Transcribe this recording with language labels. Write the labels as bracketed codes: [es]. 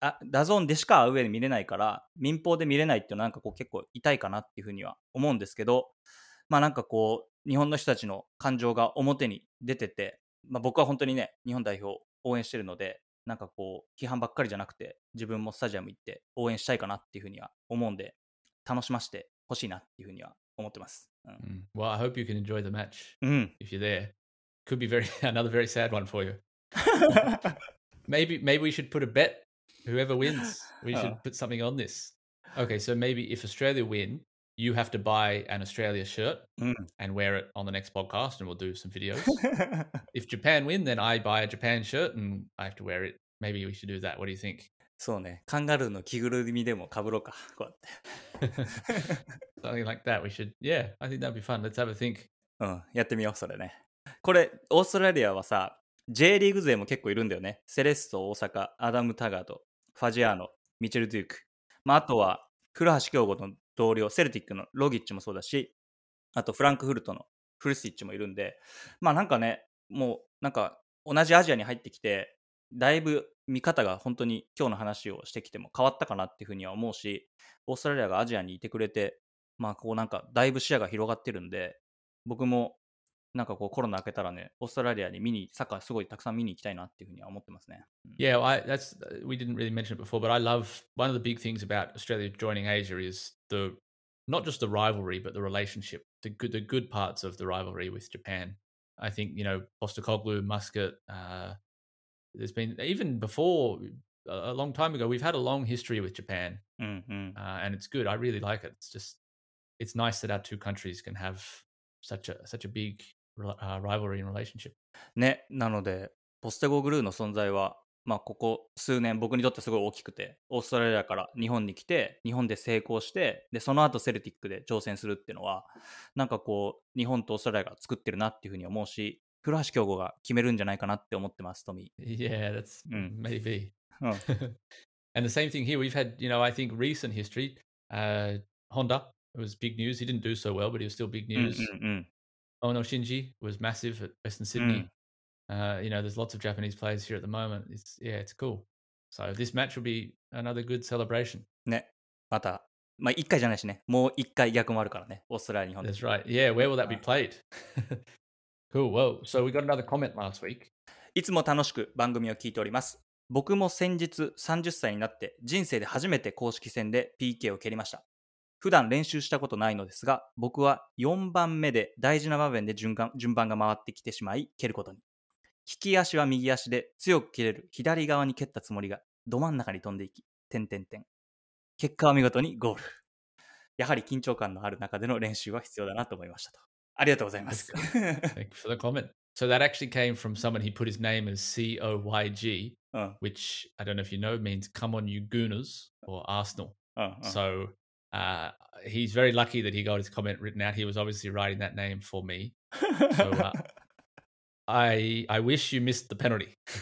[ja] ダゾーンでしかアウェーで見れないから民放で見れないっていうのはなんかこう結構痛いかなっていうふうには思うんですけど、まあ、なんかこう日本の人たちの感情が表に出てて、まあ、僕は本当にね日本代表応援してるのでなんかこう批判ばっかりじゃなくて自分もスタジアム行って応援したいかなっていうふうには思うんで楽しましてほしいなっていうふうには思ってます、う [en] ん、Well, I hope you can enjoy the match if you're there. Could be another very sad one for you. maybe we should put a bet. Whoever wins, we should put something on this. Okay, so maybe if Australia win, you have to buy an Australia shirt and wear it on the next podcast and we'll do some videos. If Japan win, then I buy a Japan shirt and I have to wear it. Maybe we should do that. What do you think? [ja] そうね。カンガルーの着ぐるみでも被ろうか。こうやって。 [en] Something like that. We should. Yeah, I think that'd be fun. Let's have a think. [ja] うん、やってみよう、それね。これ、オーストラリアはさ、J リーグ勢も結構いるんだよね。セレッソ、大阪、アダム・タガード、ファジアーノ、ミチェル・デューク。まあ、あとは、古橋京吾の同僚、セルティックのロギッチもそうだし、あとフランクフルトのフルスイッチもいるんで、まあなんかね、もうなんか同じアジアに入ってきて、だいぶ見方が本当に今日の話をしてきても変わったかなっていうふうには思うし、オーストラリアがアジアにいてくれて、まあこうなんかだいぶ視野が広がってるんで、僕もなんかこうコロナ明けたらね、オーストラリアに見にサッカーすごいたくさん見に行きたいなっていうふうには思ってますね。 [en] Yeah, well, we didn't really mention it before, but I love one of the big things about Australia joining Asia is the not just the rivalry, but the relationship, the good parts of the rivalry with Japan. I think you know Postecoglou, Muscat. There's been even before a long time ago. We've had a long history with Japan, and it's good. I really like it. It's nice that our two countries can have such a big rivalry and relationship. [ja] ね、なのでポステゴグルーの存在は、まあ、ここ数年僕にとってすごい大きくて、オーストラリアから日本に来て、日本で成功して、でその後セルティックで挑戦するっていうのは、なんかこう日本とオーストラリアが作ってるなっていうふうに思うし。古橋京吾が決めるんじゃないかなって思ってます、トミー。 [en] Yeah, that's maybe. And the same thing here. We've had, you know, I think recent history. Honda, it was big news. He didn't do so well, but he was still big news. Ono Shinji was massive at Western Sydney. You know, there's lots of Japanese players here at the moment. It's cool. So this match will be another good celebration. [ja] ね、また。まあ一回じゃないしね。もう一回逆もあるからね。オーストラリア、日本。 [en] That's right. Yeah, where will that be played? Cool. Well, so we got another comment last week. [ja] いつも楽しく番組を聞いております。僕も先日30歳になって人生で初めて公式戦で PK を蹴りました。普段練習したことないのですが、僕は4番目で大事な場面で順番が回ってきてしまい、蹴ることに。利き足は右足で強く蹴れる左側に蹴ったつもりが、ど真ん中に飛んでいき、点々点。結果は見事にゴール。やはり緊張感のある中での練習は必要だなと思いましたと。ありがとうございます。 [en] Thank you for the comment. So that actually came from someone. He put his name as COYG, which I don't know if you know, means come on you gooners or Arsenal. So he's very lucky that he got his comment written out. He was obviously writing that name for me. So I wish you missed the penalty.